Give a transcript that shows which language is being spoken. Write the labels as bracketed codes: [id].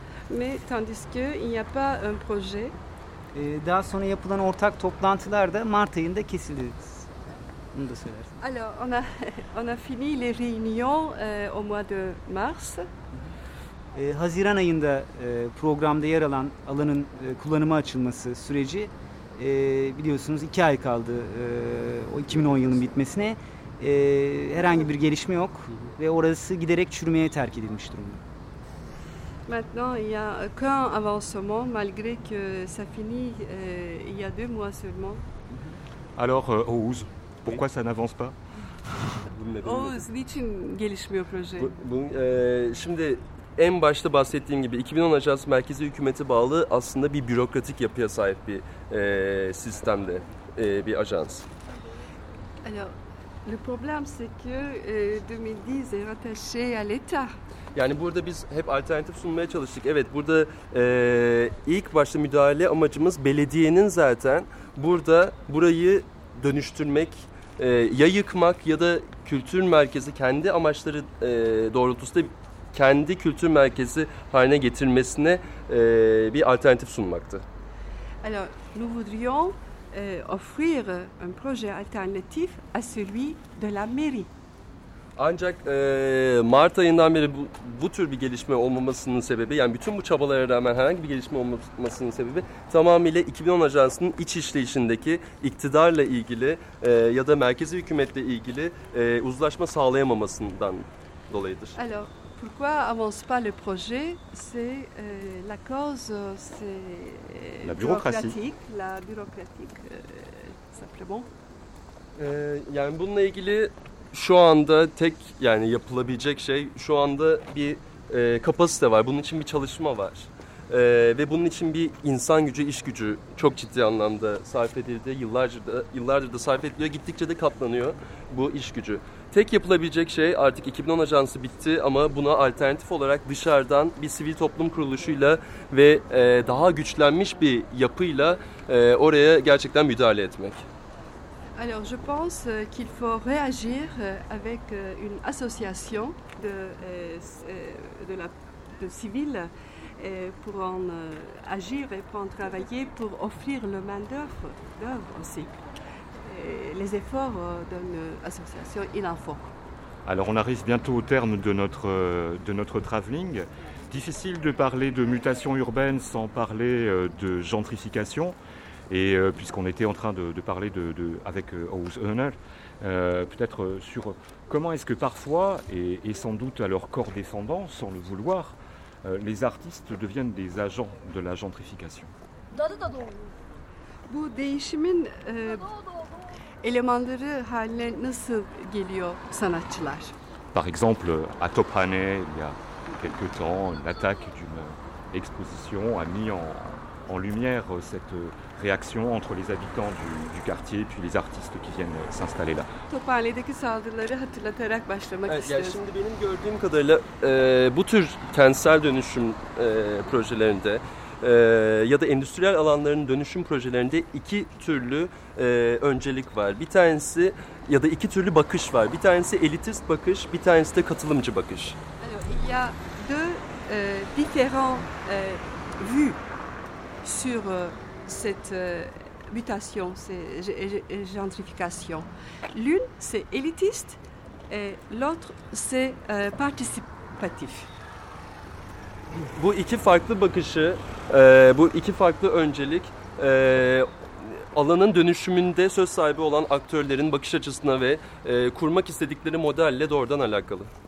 [fr] Mais tandis que il n'y a pas un projet. [tr] Daha sonra yapılan ortak toplantılar da Mart ayında kesildi. Bunu da söylersin. [fr] Alors, on a fini les réunions au mois de mars. [tr] Haziran ayında programda yer alan alanın kullanıma açılması süreci biliyorsunuz 2 ay kaldı o 2010 yılının bitmesine. Herhangi bir gelişme yok ve orası giderek çürümeye terk edilmiş durumda. [fr] Maintenant, il n'y a aucun avancement malgré que ça finit il y a deux mois seulement. Alors, Oğuz, pourquoi ça n'avance pas? [tr] Oğuz, niçin gelişmiyor proje? Şimdi en başta bahsettiğim gibi 2010 Ajansı merkezi hükümete bağlı aslında bir bürokratik yapıya sahip bir sistemde bir ajans. [fr] Alors, le problème c'est que 2010 est rattaché à l'État. [tr] Yani burada biz hep alternatif sunmaya çalıştık. Evet, burada ilk başta müdahale amacımız belediyenin zaten burada burayı dönüştürmek, ya yıkmak ya da kültür merkezi kendi amaçları doğrultusunda kendi kültür merkezi haline getirmesine bir alternatif sunmaktı. [fr] Alors, nous voudrions offrir un projet alternatif à celui de la mairie. [tr] Ancak Mart ayından beri bu tür bir gelişme olmamasının sebebi, yani bütün bu çabalara rağmen herhangi bir gelişme olmamasının sebebi tamamıyla 2010 Ajansı'nın iç işleyişindeki iktidarla ilgili ya da merkezi hükümetle ilgili uzlaşma sağlayamamasından dolayıdır. [fr] Alors, pourquoi avance pas le projet? C'est la cause, c'est la bureaucratie. La bureaucratie, simplement. [tr] Yani bununla ilgili şu anda tek yani yapılabilecek şey şu anda bir kapasite var. Bunun için bir çalışma var. Ve bunun için bir insan gücü, iş gücü çok ciddi anlamda sarf edildi. Yıllardır da sarf ediliyor. Gittikçe de katlanıyor bu iş gücü. Tek yapılabilecek şey artık 2010 Ajansı bitti ama buna alternatif olarak dışarıdan bir sivil toplum kuruluşuyla ve daha güçlenmiş bir yapıyla oraya gerçekten müdahale etmek. [fr] Alors, je pense qu'il faut réagir avec une association de civils pour en agir et pour en travailler pour offrir le main d'œuvre aussi. Les efforts d'une association, il en faut. Alors, on arrive bientôt au terme de notre travelling. Difficile de parler de mutation urbaine sans parler de gentrification. Et puisqu'on était en train de parler avec Oğuz Öner, peut-être sur comment est-ce que parfois, et sans doute à leur corps défendant, sans le vouloir, les artistes deviennent des agents de la gentrification. [tr] Bu değişimin elemanları haline nasıl geliyor sanatçılar? [fr] Par exemple, à Tophane, il y a quelque temps, l'attaque d'une exposition a mis en lumière cette réaction entre les habitants du quartier puis les artistes qui viennent s'installer là. [tr] Tophane'deki saldırıları hatırlatarak başlamak istiyorum. Yani şimdi benim gördüğüm kadarıyla bu tür kentsel dönüşüm projelerinde ya da endüstriyel alanların dönüşüm projelerinde iki türlü öncelik var. Bir tanesi ya da iki türlü bakış var. Bir tanesi elitist bakış, bir tanesi de katılımcı bakış. [fr] Il y a deux différents vues sur cette mutation, cette gentrification. L'une, c'est élitiste et l'autre, c'est participatif. [tr] Bu iki farklı bakışı, bu iki farklı öncelik alanın dönüşümünde söz sahibi olan aktörlerin bakış açısına ve kurmak istedikleri modelle doğrudan alakalı.